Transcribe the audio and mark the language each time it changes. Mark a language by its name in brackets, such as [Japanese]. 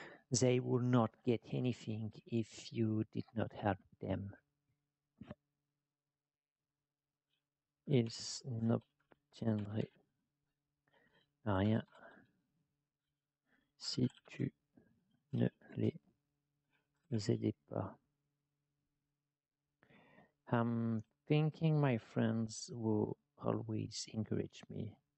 [English] They would not get anything if you did not help them. [French] Ils n'obtiendraient rien si tu ne les aidais pas. [English] I'm thinking my friends will always encourage me.